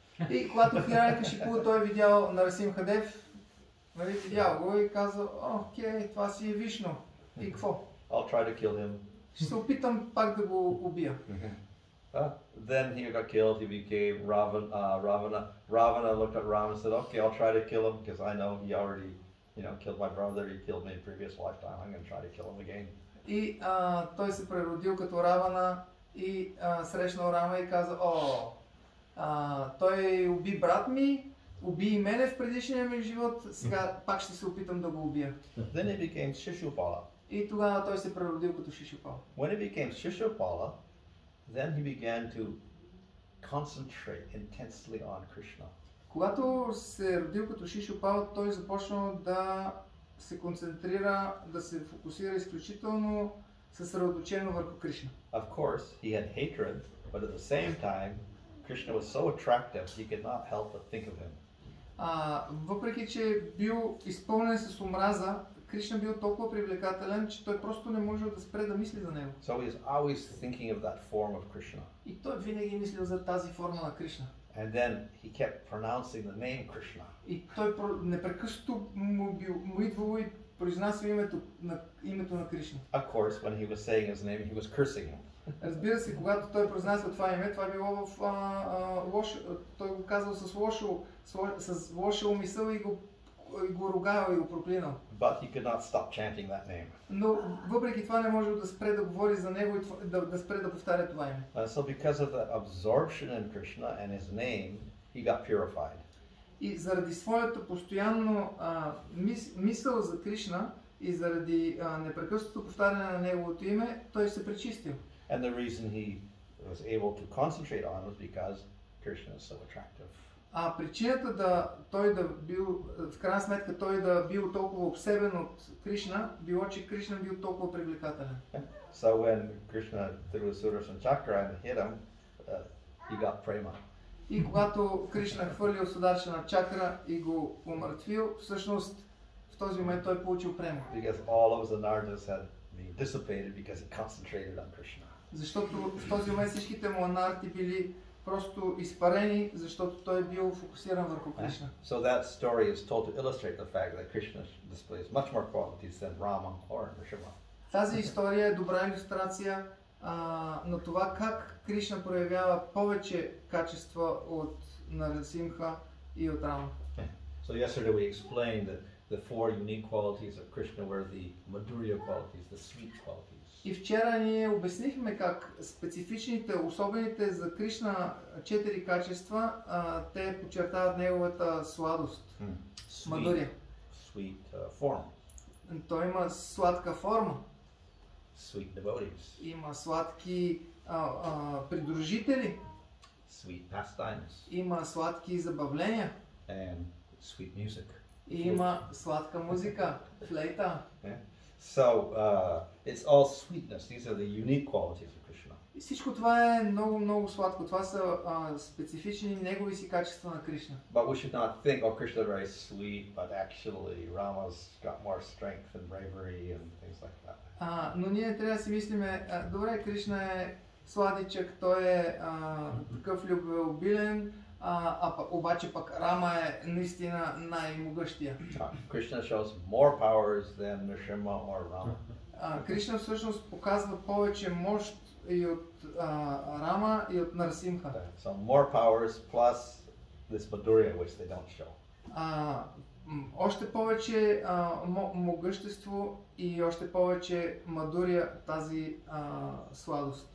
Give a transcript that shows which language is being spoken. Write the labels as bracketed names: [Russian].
[Bulgarian] И когато Hiranyakashipu той видял Нарасимхадев, нали, видял го и казал, окей, това си е Вишно. И какво? [English] I'll try to kill him. [Bulgarian] Ще се опитам пак да го убия. [English] Then he got killed, he became Ravana. Ravana looked at Rama and said, okay, I'll try to kill him because I know he already, you know, killed my brother, he killed me in previous lifetime. I'm going to try to kill him again. [Bulgarian] И той се преродил като Равана и срещнал Рама и каза, о, той уби брат ми, уби и мене в предишния ми живот, сега пак ще се опитам да го убия. [English] Then he became Шишупала. [Bulgarian] И тогава той се преродил като Шишупала. [English] When he became Шишупала, then he began to concentrate intensely on Krishna. [Bulgarian] Когато се родил като Шишупала, той започнал да се концентрира, да се фокусира изключително съсредоточено върху Кришна. [English] Of course, he had hatred, but at the same time, Krishna was so attractive, he could not help but think of him. [Bulgarian] Въпреки че бил изпълнен с омраза, Кришна бил толкова привлекателен, че той просто не можел да спре да мисли за него. [English] So he's always thinking of that form of Krishna. [Bulgarian] И той винаги мислил за тази форма на Кришна. [English] And then he kept pronouncing the name Krishna. [Bulgarian] И той непрекъснато му идвало и произнасял името на Кришна. [English] Of course, when he was saying his name, he was cursing him. [Bulgarian] Разбира се, когато той произнасял това име, това било в лошо, той го казал с лоша умисъл и го ругал и го проклинал. [English] But he could not stop chanting that name. [Bulgarian] Но въпреки това не можел да спре да говори за него и да спре да повтаря това име. [English] So because of the absorption in Krishna and his name, he got purified. [Bulgarian] И заради своето постоянно мисъл за Кришна и заради непрекъснато повтаряне на неговото име, той се пречистил. [English] And the reason he was able to concentrate on was because Krishna is so attractive. [Bulgarian] А причината да той да бил, в крайна сметка той да бил толкова обсебен от Кришна, било че Кришна бил толкова привлекателен. [English] So when Krishna threw Sudarshan Chakra and hit him, he got prema. [Bulgarian] И когато Кришна хвърлил Сударшана чакра и го умъртвил, всъщност в този момент той получил према. [English] Because all of the Narada's had been dissipated because he concentrated on Krishna. [Bulgarian] Защото в този момент всичките му анарти били просто изпарени, защото той бил фокусиран върху Кришна. [English] So that story is told to illustrate the fact that Krishna displays much more qualities than Rama or Nrisimha. [Bulgarian] Тази история е добра илюстрация на това как Кришна проявява повече качества от Нарасимха и от Рама. [English] So yesterday we explained that the four unique qualities of Krishna were the madhurya qualities, the sweet qualities. [Bulgarian] И вчера ние обяснихме как специфичните, особените за Кришна четири качества, те подчертават неговата сладост, мадурия. [English] Sweet form. [Bulgarian] Той има сладка форма. [English] Sweet devotees. [Bulgarian] Има сладки придружители. [English] Sweet pastimes. [Bulgarian] Има сладки забавления. [English] And sweet music. [Bulgarian] И има сладка музика, флейта. [English] So it's all sweetness. These are the unique qualities of Krishna. [Bulgarian] И всичко това е много, много сладко. Това са специфични негови си качества на Кришна. [English] But we should not think, oh, Krishna is very sweet, but actually Rama's got more strength and bravery and things like that. [Bulgarian] Но ние трябва да си мислиме, добре, Кришна е сладичък, той е такъв любвеобилен, обаче пък Рама е наистина най-могъщия. [English] Krishna shows more powers than Narsimha or Rama. [Bulgarian] Кришна всъщност показва повече мощ и от Рама и от Нарсимха. [English] So more powers plus this Madhurya which they don't show. [Bulgarian] Още повече могъщество и още повече мадурия, тази сладост.